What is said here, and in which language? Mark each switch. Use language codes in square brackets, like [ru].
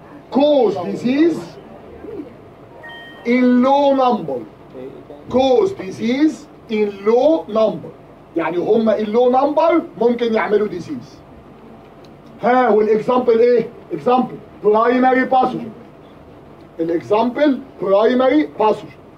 [en] Cause disease in low number. Cause disease in low number. [ar] يعني هما [en] in low number [ar] ممكن يعملوا disease. ها والإكزامبل إيه؟ إكزامبل primary pathogen. الإكزامبل primary pathogen.